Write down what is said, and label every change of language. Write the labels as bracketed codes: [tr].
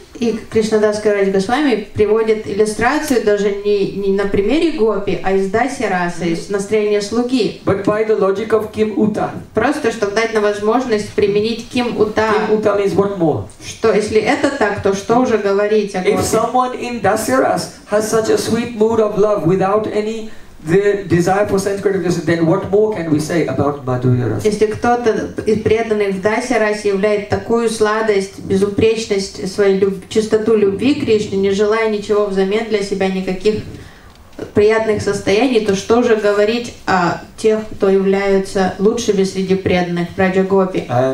[ru] И Кришнадас Кавираджа Госвами приводит иллюстрацию даже не на примере гопи, а из Дасирасы, из настроения слуги. [en] But by the logic of Kim Uta. [ru] Просто чтобы дать нам возможность применить Kim Uta. [en] Kim Uta means what more? [ru] Что если это так, то что уже говорить о гопи? [en] If someone in Dasiras has such a sweet mood of love without any the desire for sense gratification, then what more can we say about Madhurya-rasa? [ru] Если кто-то из преданных в Дасирасе являет такую сладость, безупречность, свою чистоту любви к Кришне, не желая ничего взамен для себя, никаких приятных состояний, то что же говорить о тех, кто являются лучшими среди преданных в Раджа-гопи?